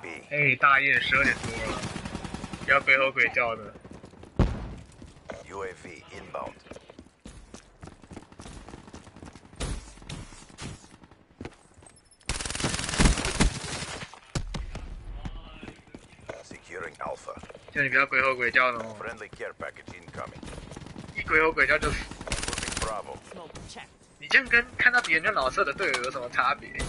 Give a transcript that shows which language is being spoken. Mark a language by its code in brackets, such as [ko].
[zh] 哎，大雁十二点多了，不要鬼吼鬼叫的。 [en] UAV inbound。 Alpha. [zh] 叫你不要鬼吼鬼叫的哦。 [en] Friendly care package incoming. [zh] 一鬼吼鬼叫就死。 [en] Bravo. [zh] 你这样跟看到别人就老色的队友有什么差别？